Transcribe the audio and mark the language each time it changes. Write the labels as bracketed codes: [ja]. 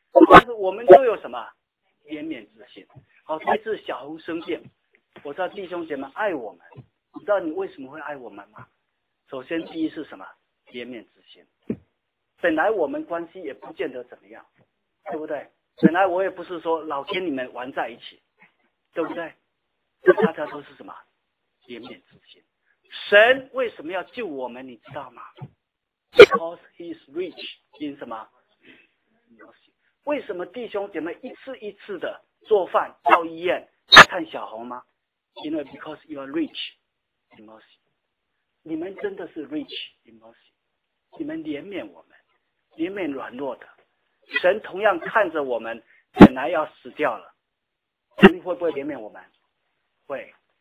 [zh] 但是我们都有什么怜悯之心。好，这次小红生病，我知道弟兄姐妹爱我们，你知道你为什么会爱我们吗？首先第一是什么？怜悯之心。本来我们关系也不见得怎么样，对不对？本来我也不是说老天你们玩在一起，对不对？这大家都是什么？怜悯之心。神为什么要救我们你知道吗？ [en] Because he is rich in [zh] 什么？为什么弟兄姐妹一次一次的做饭到医院看小红吗？因为 [en] because you are rich in mercy， [zh] 你们真的是 [en] rich in mercy， [zh] 你们怜悯我们，怜悯软弱的。神同样看着我们本来要死掉了，神会不会怜悯我们？会。